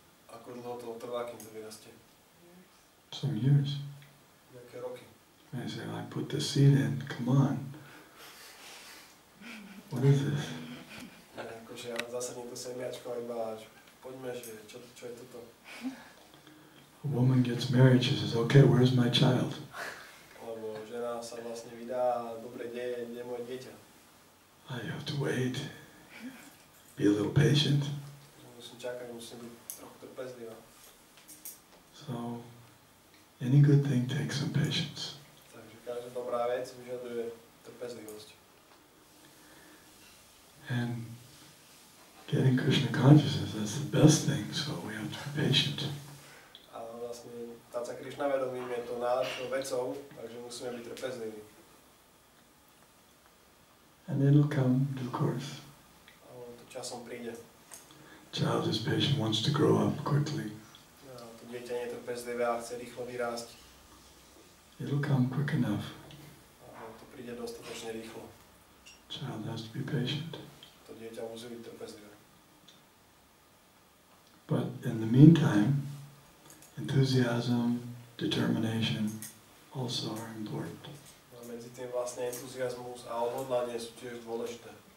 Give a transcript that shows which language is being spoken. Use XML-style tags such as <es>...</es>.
<sk>Ako dlho to trvá, kým to vyrastie?</sk> <en>Some years.</en> <sk>Nejaké roky.</sk> <en>And I say, I put the seed in, come on. What is this?</en> <sk>Akože ja zasadím to semiačko a iba až poďme, že čo je toto?</sk> <en>A woman gets married, she says, okay, where's my child?</en> <sk>Sa vlastne vydá, dobre, kde moje dieťa.</sk> <en>I have to wait. Be a little patient.</en> <sk>Musím čakať, musím byť trochu trpezlivá.</sk> <en>So, any good thing takes some patience.</en> <sk>Takže každá dobrá vec vyžaduje trpezlivosť.</sk> <en>And getting Krishna consciousness, that's the best thing, so we have to be patient.</en> <sk>Stať sa Krishna vedomým je to náročnou vecou, takže musíme byť trpezliví.</sk> <en>And it'll come due course.</en> <sk>A to časom príde.</sk> <en>Child is patient, wants to grow up quickly.</en> <sk>A to dieťa nie je trpezlivé a chce rýchlo vyrásť.</sk> <en>It'll come quick enough.</en> <sk>A to príde dostatočne rýchlo.</sk> <en>Child has to be patient.</en> <sk>To dieťa musí byť trpezlivé.</sk> <en>But in the meantime, enthusiasm, determination also are important.</en> <sk>A medzi tým vlastne entuziasmus a odhodlanie sú tiež dôležité.</sk>